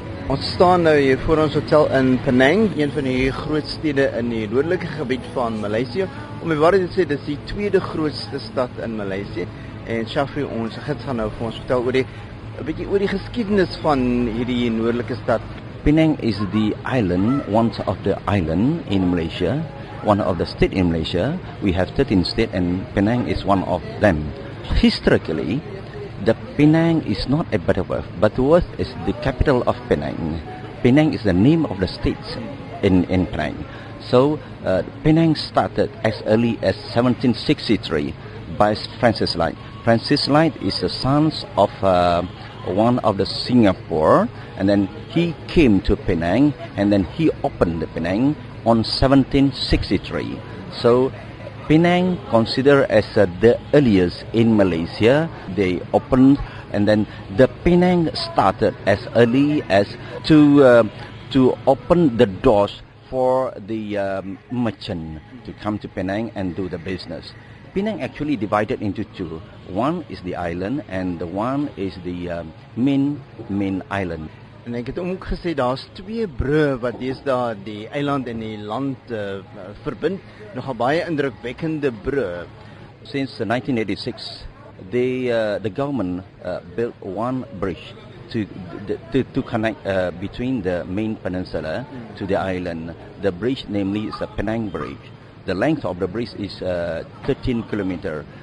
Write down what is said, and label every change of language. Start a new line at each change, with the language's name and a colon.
Afrikaans: ons staan nou hier voor ons hotel in Penang, een van die groot stede in die noordelike gebied van Maleisië. Om die waarheid te sê, dis die tweede grootste stad in Maleisië. En Shafri, ons gids, gaan nou vir ons vertel oor die, een bietjie oor die geskiedenis van hierdie noordelike stad.
English: Penang is the island, one of the island in Malaysia, one of the state in Malaysia. We have 13 states and Penang is one of them. Historically, the Penang is not at Butterworth. Butterworth is the capital of Penang. Penang is the name of the state in Penang. So Penang started as early as 1763 by Francis Light. Francis Light is the son of one of the Singapore, and then he came to Penang and then he opened the Penang on 1763. So Penang considered as the earliest in Malaysia. They opened, and then the Penang started as early as to open the doors for the merchant to come to Penang and do the business. Penang actually divided into two. One is the island, and the one is the main island.
Afrikaans: En ek het ook gesê, daar's twee brûe wat deesdae die eiland en die land verbind. Nogal baie indrukwekkende brûe.
English: Since 1986, the government built one bridge to connect between the main peninsula to the island. The bridge, namely, is the Penang Bridge. The length of the bridge is 13 kilometers.